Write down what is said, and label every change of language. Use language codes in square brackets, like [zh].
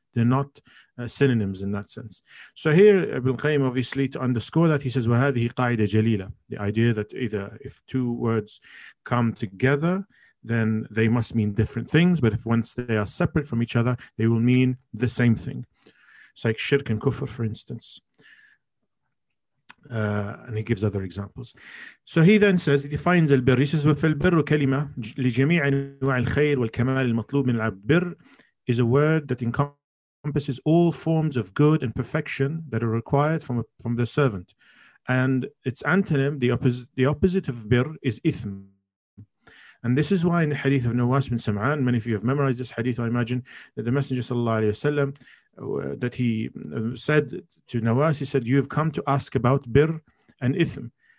[en] They're not synonyms in that sense. So here, Ibn Qayyim, obviously, to underscore that, he says, [ar] وَهَذِهِ قَاعِدَ جَلِيلًا, [en] the idea that either if two words come together, then they must mean different things, but if once they are separate from each other, they will mean the same thing. It's like shirk and kufr, for instance. And he gives other examples. So he then says, he defines al-birr. [ar] He says, وَفَالْبِرُّ كَلِمَةٌ لِجَمِيعِ أَنْوَعِ الْخَيْرِ وَالْكَمَالِ الْمَطْلُوبِ مِنْ الْعَبْدِ. [en] Birr is a word that encompasses all forms of good and perfection that are required from the servant. And its antonym, the opposite of birr, is ithm. And this is why in the hadith of Nawas bin Sam'an, many of you have memorized this hadith, I imagine, that the Messenger sallallahu alayhi wa sallam, that he said to Nawas, he said, you've come to ask about birr and ithm.